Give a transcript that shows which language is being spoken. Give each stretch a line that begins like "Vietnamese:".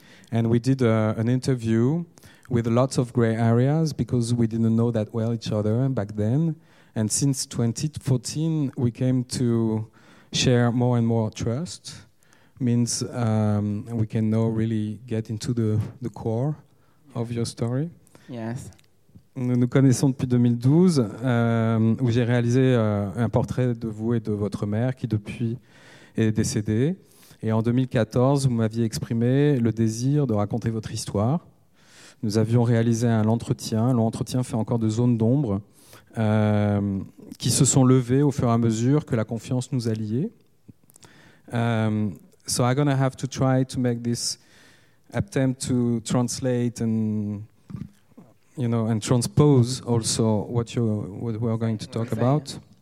English: And we did an interview with lots of gray areas because we didn't know that well each other back then. And since 2014, we came to share more and more trust, means we can now really get into the core of your story. Yes.
French: Nous nous connaissons depuis 2012, où j'ai réalisé un portrait de vous et de votre mère, qui depuis est décédée. Et en 2014, vous m'aviez exprimé le désir de raconter votre histoire. Nous avions réalisé un entretien, l'entretien fait encore de zones d'ombre, qui se sont levées au fur et à mesure que la confiance nous a liés.
English: So I'm going to have to try to make this attempt to translate and, you know, and transpose also what you, what we're going to talk about.